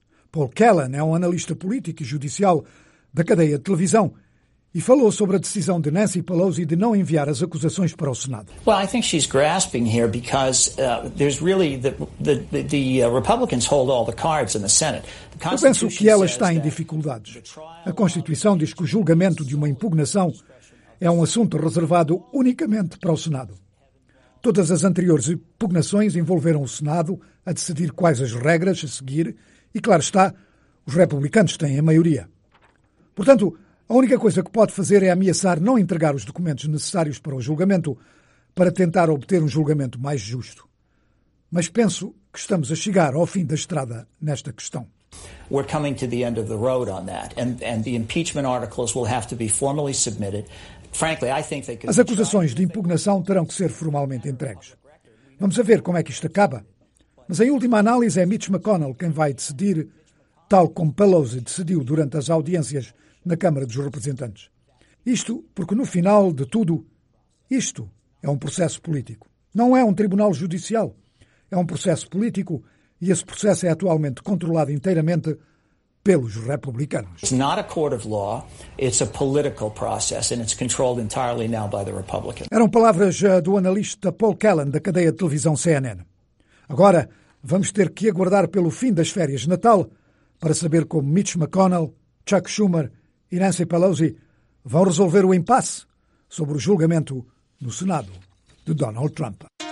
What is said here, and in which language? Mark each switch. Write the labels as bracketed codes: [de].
[pt] Paul Kellen é um analista político e judicial da cadeia de televisão e falou sobre a decisão de Nancy Pelosi de não enviar as acusações para o Senado. [en] Well, I think she's grasping here because there's really the Republicans hold all the cards in the Senate. [pt] Eu penso que ela está em dificuldades. A Constituição diz que o julgamento de uma impugnação é um assunto reservado unicamente para o Senado. Todas as anteriores impugnações envolveram o Senado a decidir quais as regras a seguir e, claro está, os republicanos têm a maioria. Portanto, a única coisa que pode fazer é ameaçar não entregar os documentos necessários para o julgamento para tentar obter um julgamento mais justo. Mas penso que estamos a chegar ao fim da estrada nesta questão. [en] We're coming to the end of the road on that, and the impeachment articles will have to be formally submitted. Frankly, I think they could. [pt] As acusações de impugnação terão que ser formalmente entregues. Vamos a ver como é que isto acaba. Mas em última análise é Mitch McConnell quem vai decidir, tal como Pelosi decidiu durante as audiências na Câmara dos Representantes. Isto porque no final de tudo, isto é um processo político. Não é um tribunal judicial. É um processo político. E esse processo é atualmente controlado inteiramente pelos republicanos. [en] It's not a court of law, it's a political process and it's controlled entirely now by the Republicans. [pt] Eram palavras do analista Paul Kellen da cadeia de televisão CNN. Agora, vamos ter que aguardar pelo fim das férias de Natal para saber como Mitch McConnell, Chuck Schumer e Nancy Pelosi vão resolver o impasse sobre o julgamento no Senado de Donald Trump.